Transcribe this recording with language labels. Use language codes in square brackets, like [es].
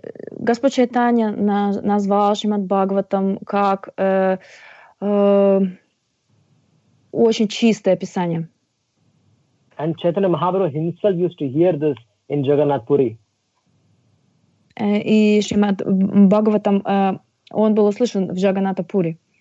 [ru] Господь Чайтанья назвал Шримад Бхагаватам как очень чистое писание. [en] And Chaitanya Mahaprabhu himself used to hear this in Jagannath Puri. [ru] И Шримад Бхагаватам, он был услышан в Джаганнатха Пури.